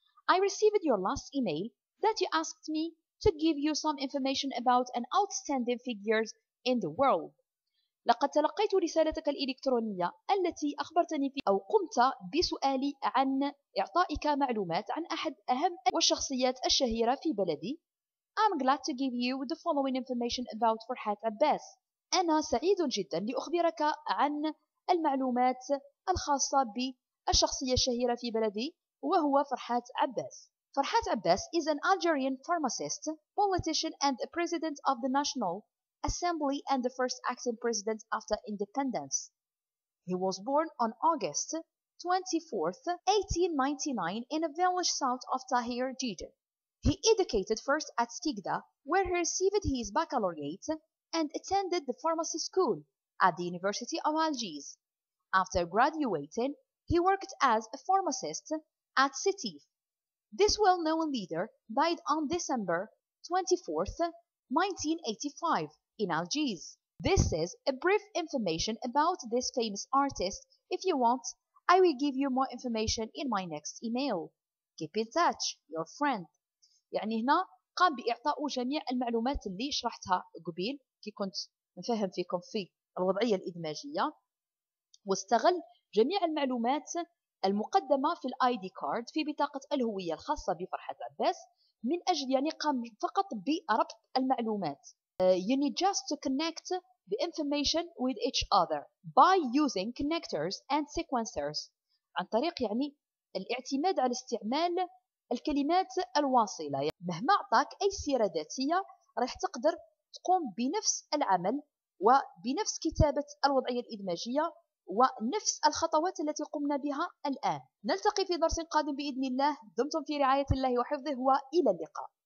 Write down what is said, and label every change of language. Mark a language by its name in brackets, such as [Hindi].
[English] I received your last email that you asked me to give you some information about an outstanding figures in the world. [Arabic] لقد تلقيت رسالتك الإلكترونية التي أخبرتني فيها أو قمت بسؤالي عن إعطائك معلومات عن أحد أهم الشخصيات الشهيرة في بلدي. [English] I'm glad to give you the following information about Farhat Abbas. [Arabic] أنا سعيد جدا لأخبرك عن المعلومات الخاصة بالشخصية الشهيرة في بلدي وهو فرحات عباس. [English] فرحات عباس is an Algerian pharmacist, politician and president of the National Assembly and the first acting president after independence. He was born on August 24th, 1899 in a village south of Tahir, Jijin. He educated first at Skigda, where he received his baccalaureate and attended the pharmacy school at the University of Algiers. After graduating, he worked as a pharmacist at Sétif. This well-known leader died on December 24th, 1985. In Algiers. This is a brief information about this famous artist. If you want, I will give you more information in my next email. Keep in touch, your friend. [Arabic] يعني هنا قام بإعطاء جميع المعلومات اللي شرحتها قبيل كي كنت نفهم فيكم في الوضعية الإدماجية, واستغل جميع المعلومات المقدمة في الID card, في بطاقة الهوية الخاصة بفرحات عباس, من أجل يعني قام فقط بربط المعلومات. [English] You need just to connect the information with each other by using connectors and sequencers. [Arabic] عن طريق يعني الاعتماد على استعمال الكلمات الواصلة. مهما أعطاك أي سيرة ذاتية راح تقدر تقوم بنفس العمل وبنفس كتابة الوضعية الإدماجية ونفس الخطوات التي قمنا بها الآن. نلتقي في درس قادم بإذن الله. دمتم في رعاية الله وحفظه وإلى اللقاء.